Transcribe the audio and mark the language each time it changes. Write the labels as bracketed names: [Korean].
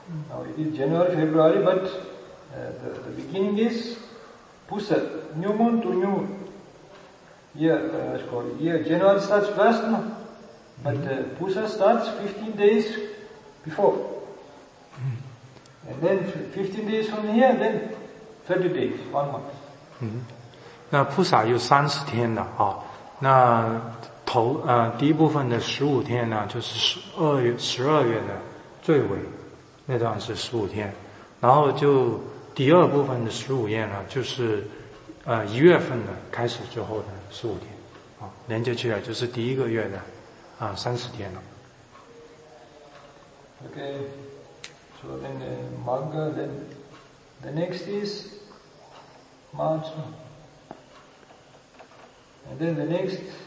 [English] Now it is January, February, but the beginning is Pusa, new moon to new moon. Here, January starts first, no? But Pusa starts 15 days before. And then 15 days from here, then 30 days, 1 month. [Chinese] 那 Pusa 有30天的啊，那第一部分的十五天呢，就是十二月的最尾那段是十五天，然后就第二部分的十五夜呢，就是一月份的开始之后的十五天，啊，连接起来就是第一个月的30天了。 [English] Okay, so then Magga, then the next is March, and then the next.